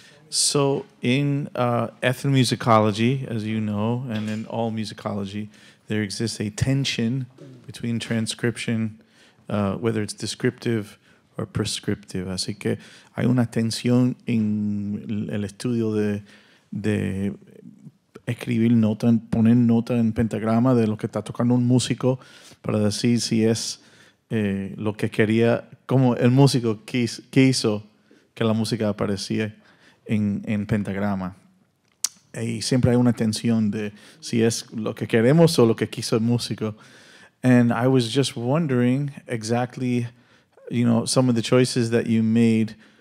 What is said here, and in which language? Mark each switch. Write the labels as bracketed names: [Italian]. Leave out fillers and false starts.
[English] So in ethnomusicology, as you know, and in all musicology, there exists a tension between transcription, whether it's descriptive or prescriptive. [Spanish] Así que hay una tensión en el estudio de escribir nota, poner nota en pentagrama de lo que está tocando un músico para decir si es lo que quería, como el músico que hizo que la música aparecía en pentagrama. Y siempre hay una tensión de si es lo que queremos o lo que quiso el músico. [English] And I was just wondering exactly, you know, some of the choices that you made.